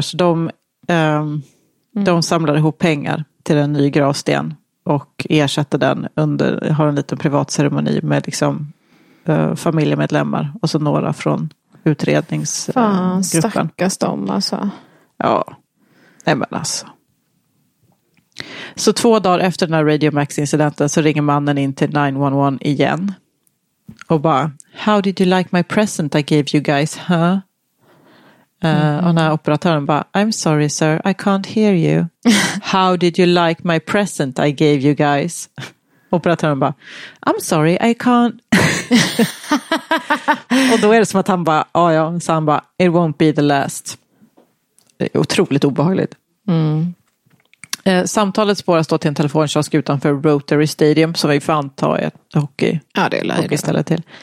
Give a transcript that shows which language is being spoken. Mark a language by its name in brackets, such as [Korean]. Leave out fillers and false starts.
[Swedish] Så de, de samlar ihop pengar till en ny gravsten och ersätter den under, har en liten privat ceremoni med liksom familjemedlemmar och så några från utredningsgruppen. Fan, stackars de alltså. Ja, nej men alltså. Så två dagar efter den här Radio Max-incidenten så ringer mannen in till 911 igen. Och bara, [English] how did you like my present I gave you guys, huh? [Swedish] Och den här operatören bara, [English] I'm sorry sir, I can't hear you. How did you like my present I gave you guys? [Swedish] Operatören bara, [English] I'm sorry, I can't. [Swedish] Och då är det som att han bara, ja, så han bara, [English] it won't be the last. [Swedish] Det är otroligt obehagligt. Mm. Samtalet spåras då till en telefonkiosk utanför Rotary Stadium som vi får anta är ett hockeyställe till.